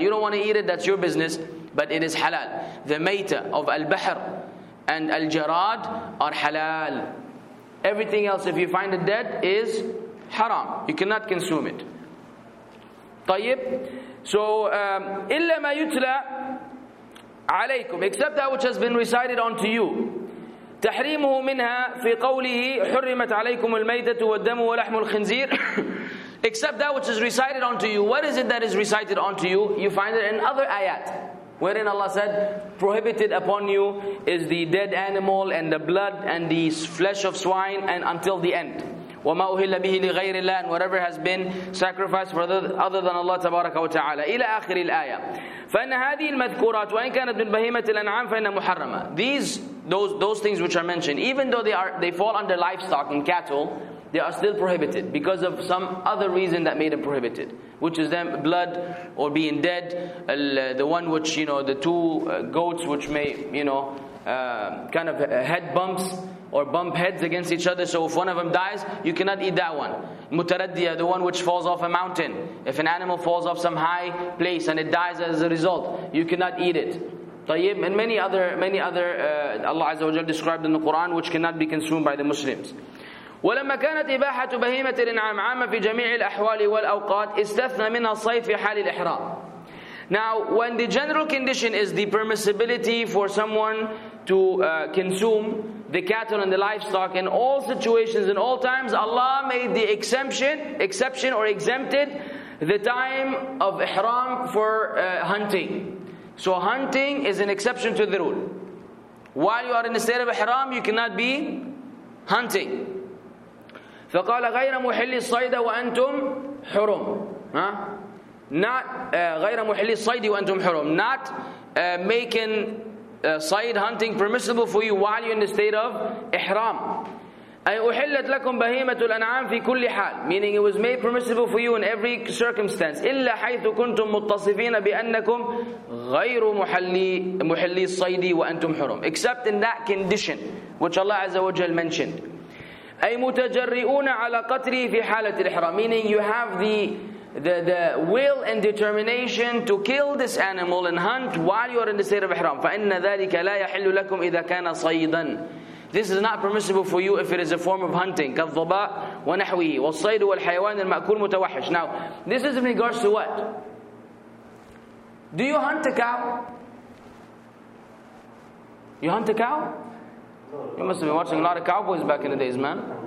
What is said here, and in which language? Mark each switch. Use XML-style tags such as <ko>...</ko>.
<en>You don't want to eat it, that's your business, but it is halal. The mayta of al-bahr and al-jarad are halal. Everything else, if you find it dead, is haram. You cannot consume it. Tayyib. So,</en> <ar>illa ma yutla alaykum,</ar> <en>except that which has been recited unto you.</en> <ar>تحريمه منها في قوله حرمت عليكم الميتة والدم ولحم الخنزير.</ar> <en>Except that which is recited unto you. What is it that is recited unto you? You find it in other ayat, wherein Allah said, prohibited upon you is the dead animal and the blood and the flesh of swine and until the end.</en> <ar>وما أهل به لغير الله,</ar> <en>and whatever has been sacrificed for other than Allah</en> <ar>تبارك وتعالى إلى آخر الآية. فإن هذه المذكورات وإن كانت من بهيمة الأنعام فإن محرمة.</ar> <en>Those things which are mentioned, even though they fall under livestock and cattle, they are still prohibited because of some other reason that made them prohibited, which is them blood or being dead, the one which, you know, the two goats which may, you know, kind of head bumps or bump heads against each other. So if one of them dies, you cannot eat that one. Mutaraddiya, the one which falls off a mountain. If an animal falls off some high place and it dies as a result, you cannot eat it. Tayyib, and many other Allah Azza wa Jal described in the Quran which cannot be consumed by the Muslims.</en> <ar>ولما كانت إباحة بهيمة الإنعام عامة في جميع الأحوال والأوقات استثنى منها الصيد في حال الإحرام.</ar> <en>Now, when the general condition is the permissibility for someone to consume the cattle and the livestock in all situations and all times, Allah made the exception or exempted the time of ihram for hunting. So hunting is an exception to the rule. While you are in the state of ihram, you cannot be hunting.</en> <ar>فقال غير محل الصيد وأنتم حرم. Not غير محل الصيد وأنتم حرم.</ar> <en>Not making صيد hunting permissible for you while you're in the state of ihram.</en> <ar>أي أحلت لكم بهيمة الأنعام في كل حال.</ar> <en>Meaning it was made permissible for you in every circumstance.</en> <ar>إلا حيث كنتم متصفين بأنكم غير محلي الصيد وأنتم حرم.</ar> <en>Except in that condition which Allah Azza wa Jal mentioned.</en> <ar>أي متجرئون على قتله في حالة الإحرام.</ar> <en>Meaning you have the will and determination to kill this animal and hunt while you are in the state of ihram.</en> <ar>فإن ذلك لا يحل لكم إذا كان صيدا.</ar> <en>This is not permissible for you if it is a form of hunting.</en> <ar>كالضباء ونحوه والصيد والحيوان المأكول متوحش.</ar> <en>Now, this is in regards to what? Do you hunt a cow? You hunt a cow? You must have been watching a lot of cowboys back in the days, man.</en>